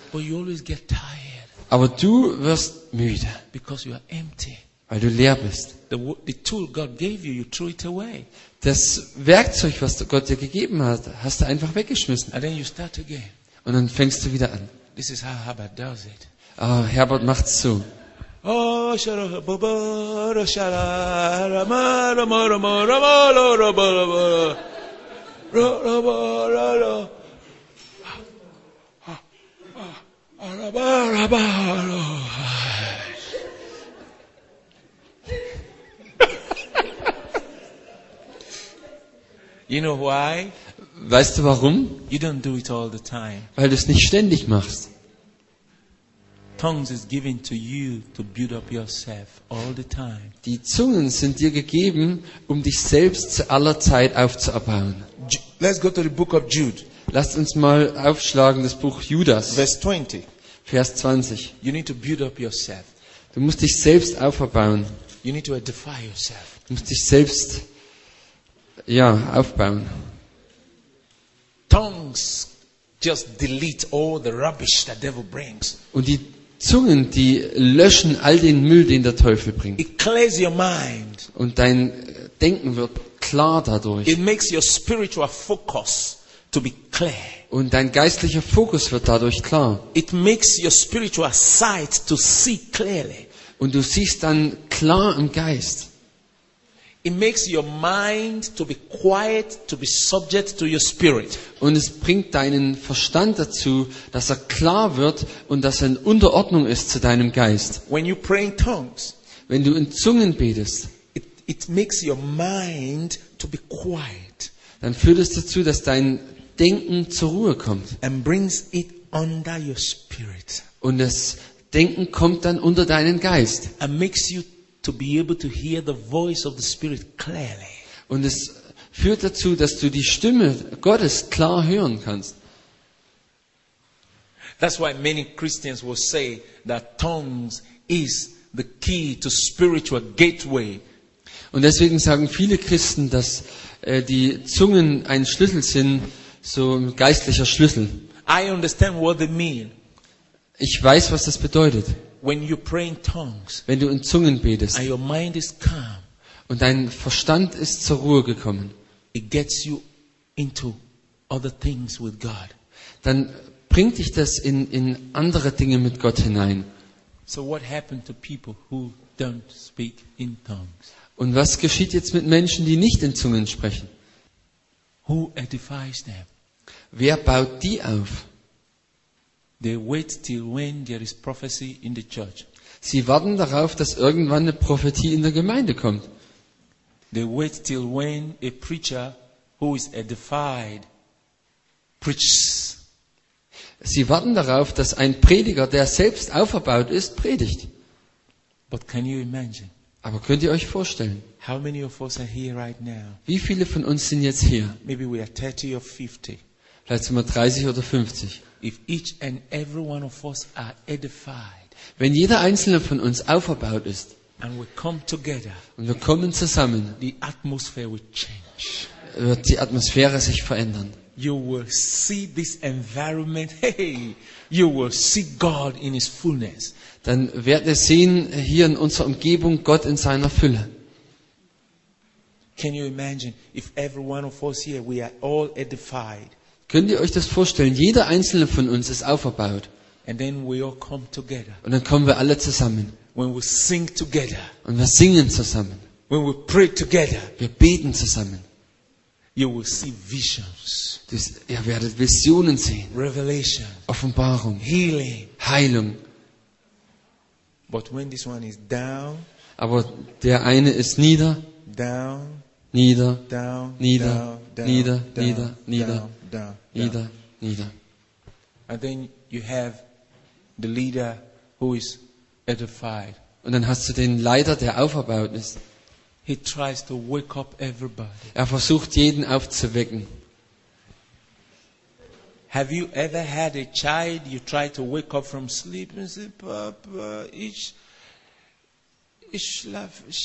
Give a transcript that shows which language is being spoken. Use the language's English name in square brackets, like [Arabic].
[English] But you always get tired. [German] Aber du wirst müde. [English] Because you are empty. [German] Weil du leer bist. [English] The tool God gave you, you threw it away. [German] Das Werkzeug, was Gott dir gegeben hat, hast du einfach weggeschmissen. [English] And then you start again. [German] Und dann fängst du wieder an. [English] This is how Herbert does it. [German] Oh, Herbert macht's so. [English] Oh, you know why? [German] Weißt du warum? [English] You don't do it all the time. [German] Weil du es nicht ständig machst. [English] Tongues is given to you to build up yourself all the time. [German] Die Zungen sind dir gegeben, um dich selbst zu aller Zeit aufzubauen. [English] Let's go to the book of Jude. [German] Lasst uns mal aufschlagen das Buch Judas. [English] Verse 20. [German] Vers 20. [English] You need to build up yourself. [German] Du musst dich selbst aufbauen. [English] You need to edify yourself. [German] musst dich selbst aufbauen. [English] Tongues just delete all the rubbish the devil brings. [German] Und die Zungen, die löschen all den Müll, den der Teufel bringt. [English] It clears your mind. [German] Und dein Denken wird klar dadurch. [English] It makes your spiritual focus to be clear. [German] Und dein geistlicher Fokus wird dadurch klar. [English] It makes your spiritual sight to see clearly. [German] Und du siehst dann klar im Geist. [English] It makes your mind to be quiet, to be subject to your spirit. [German] Und es bringt deinen Verstand dazu, dass klar wird und dass in Unterordnung ist zu deinem Geist. [English] When you pray in tongues, [German] wenn du in Zungen betest, [English] it makes your mind to be quiet. [German] Dann führt es dazu, dass dein Denken zur Ruhe kommt. [English] And brings it under your spirit. [German] Und das Denken kommt dann unter deinen Geist. [English] And makes you to be able to hear the voice of the Spirit clearly. [German] Und es führt dazu, dass du die Stimme Gottes klar hören kannst. [English] That's why many Christians will say that tongues is the key to spiritual gateway. [German] Und deswegen sagen viele Christen, dass die Zungen ein Schlüssel sind, so ein geistlicher Schlüssel. [English] I understand what they mean. [German] Ich weiß, was das bedeutet. [English] When you pray in tongues, [German] wenn du in Zungen betest, [English] and your mind is calm, [German] und dein Verstand ist zur Ruhe gekommen, [English] it gets you into other things with God. [German] Dann bringt dich das in andere Dinge mit Gott hinein. [English] So what happened to people who don't speak in tongues? [German] Und was geschieht jetzt mit Menschen, die nicht in Zungen sprechen? [English] Who edifies them? [German] Wer baut die auf? [English] They wait till when there is prophecy in the church. [German] Sie warten darauf, dass irgendwann eine Prophetie in der Gemeinde kommt. [English] They wait till when a preacher who is edified preaches. [German] Sie warten darauf, dass ein Prediger, der selbst auferbaut ist, predigt. [English] But can you imagine? [German] Aber könnt ihr euch vorstellen? [English] How many of us are here right now? [German] Wie viele von uns sind jetzt hier? [English] Maybe we are 30 or 50. [German] Vielleicht sind wir 30 oder 50. [English] If each and every one of us are edified, [German] wenn jeder einzelne von uns auferbaut ist, [English] and we come together, [German] und wir kommen zusammen, [English] the atmosphere will change. [German] Wird die Atmosphäre sich verändern. [English] You will see this environment. Hey, you will see God in His fullness. [German] Dann werdet ihr sehen hier in unserer Umgebung Gott in seiner Fülle. [English] Can you imagine if every one of us here we are all edified? [German] Könnt ihr euch das vorstellen? Jeder einzelne von uns ist auferbaut. [English] And then we all come together. [German] Und dann kommen wir alle zusammen. [English] When we sing together. [German] Und wir singen zusammen. [English] When we pray together. [German] Wir beten zusammen. [English] You will see visions. [German] Ihr werdet Visionen sehen. [English] Revelation. [German] Offenbarung. [English] Healing. [German] Heilung. [English] But when this one is down, [German] aber der eine ist nieder. [English] Down. [German] Nieder. [English] Down. [German] Nieder. [English] Down, [German] nieder. [English] Down, [German] nieder. [English] Down, [German] nieder. [English] Down, down, [German] nieder, [English] down. [German] Nieder. [English] And then you have the leader who is edified. [German] Und dann hast du den Leiter, der auferbaut ist. [English] He tries to wake up everybody. [German] Er versucht jeden aufzuwecken. [English] Have you ever had a child you try to wake up from sleep and say, [German] Papa, ich schlafe.